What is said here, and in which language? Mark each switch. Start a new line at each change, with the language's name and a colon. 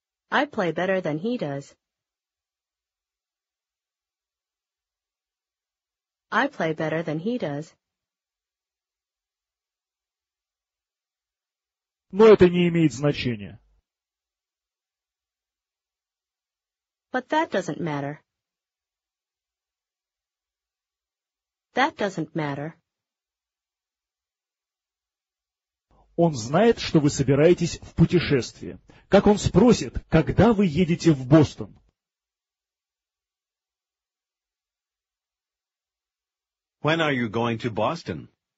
English: I play better than he does. I play better than he does.
Russian: Но это не имеет значения.
English: But that doesn't matter. That doesn't matter.
Russian: Он знает, что вы собираетесь в путешествие. Как он спросит, когда вы едете в Бостон?
English: When are you going to Boston?